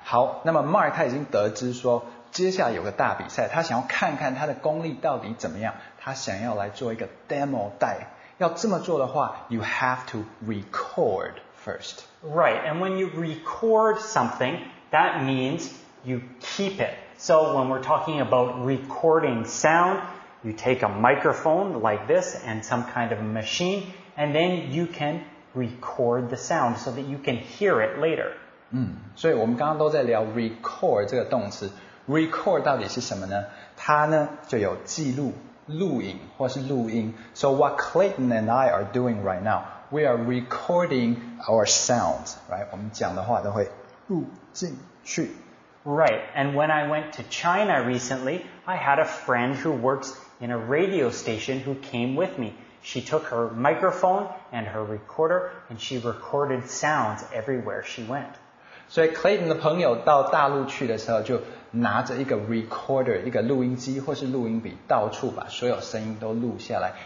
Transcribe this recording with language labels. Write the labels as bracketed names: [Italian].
[Chinese] 好，那么 Mark 他已经得知说接下来有个大比赛，他想要看看他的功力到底怎么样，他想要来做一个 demo 带。要这么做的话 [English] ,you have to record first. Right, and when you record something, that means you keep it. So when we're talking about recording sound, you take a microphone like this and some kind of machine, and then you canRecord the sound so that you can hear it later. [Chinese] 所以我们刚刚都在聊 record 这个动词。Record 到底是什么呢？它呢就有记录、录影或是录音。 [English] So what Clayton and I are doing right now, we are recording our sounds, right? [Chinese] 我们讲的话都会录进去。 [English] Right. And when I went to China recently, I had a friend who works in a radio station who came with me. She took her microphone and her recorder, and she recorded sounds everywhere she went. [Chinese] 所以 Clayton 的朋友到大陆去的时候，就拿着一个 recorder, 一个录音机或是录音笔，到处把所有声音都录下来。